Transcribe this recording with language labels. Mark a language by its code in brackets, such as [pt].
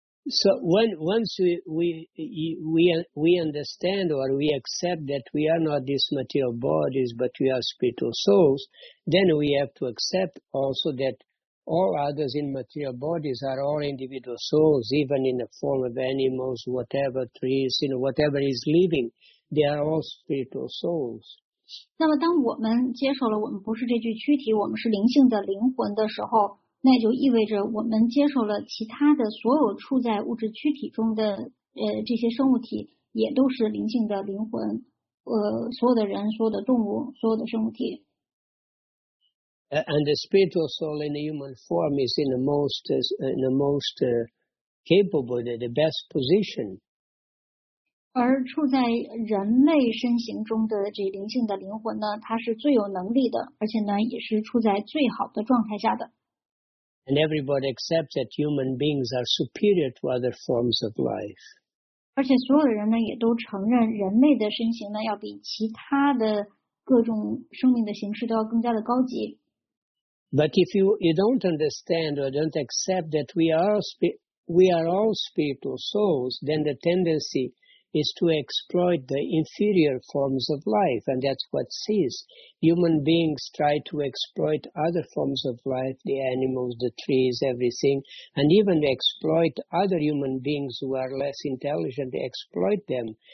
[en] So once we understand or we accept that we are not these material bodies, but we are spiritual souls, then we have to accept also that all others in material bodies are all individual souls, even in the form of animals, whatever, trees, you know, whatever is living, they are all spiritual souls. [zh] 那么当我们接受了我们不是这具躯体，我们是灵性的灵魂的时候，那就意味着我们接受了其他的所有处在物质躯体中的这些生物体也都是灵性的灵魂，所有的人、所有的动物、所有的生物体。 [en] And the spiritual soul in the human form is in the most capable, the best position. [zh] 而处在人类身形中的这灵性的灵魂呢，它是最有能力的，而且呢也是处在最好的状态下的。 [en] And everybody accepts that human beings are superior to other forms of life. [zh] 而且所有的人呢也都承认人类的身形呢要比其他的各种生命的形式都要更加的高级。 [en] But if you don't understand or don't accept that we are all spiritual souls, then the tendency is to exploit the inferior forms of life, and that's what sees. Human beings try to exploit other forms of life, the animals, the trees, everything, and even exploit other human beings who are less intelligent, they exploit them.